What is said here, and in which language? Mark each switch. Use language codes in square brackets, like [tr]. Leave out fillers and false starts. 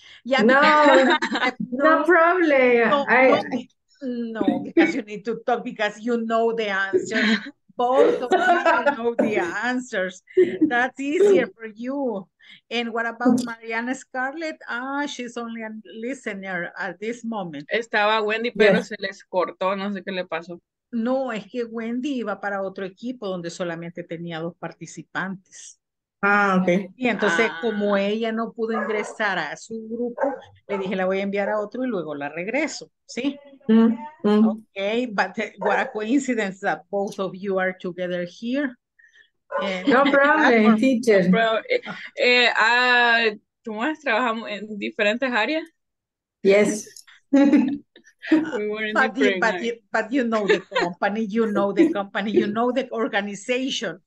[en] Yeah, no problem. No, because you need to talk because you know the answer. both of you know the answers. That's easier for you. And what about Mariana Scarlett? Ah, she's only a listener at this moment. [es] Estaba Wendy, pero yes. Se les cortó, no sé qué le pasó. No, es que Wendy iba para otro equipo donde solamente tenía dos participantes. [en] Ah, okay. [es] Y entonces, como ella no pudo ingresar a su grupo, le dije, la voy a enviar a otro y luego la regreso, ¿sí? [en] Okay, but what a coincidence that both of you are together here. No problem, teacher. No problem. [es] ¿Tú más trabajamos en diferentes áreas? [en] Yes. But you know the company, you know the company, you know the organization.